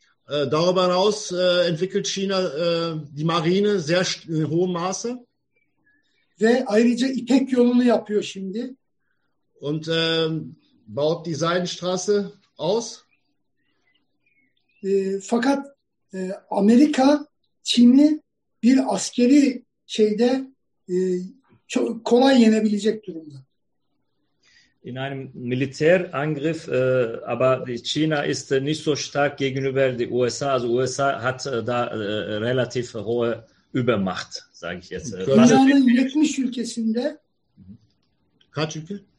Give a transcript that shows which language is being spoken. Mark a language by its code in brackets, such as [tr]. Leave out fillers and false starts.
[de] Darüber hinaus entwickelt China die Marine sehr in hohem Maße. [tr] Ve ayrıca İpek yolunu yapıyor şimdi. [de] Und baut die Seidenstraße aus. [tr] Fakat Amerika Çin'i bir askeri şeyde çok kolay yenebilecek durumda. [de] In einem Militärangriff, aber China ist nicht so stark gegenüber den USA. Also USA hat da relativ hohe Übermacht, sage ich jetzt. [tr] Dünyanın 70 ülkesinde. Kaç ülke?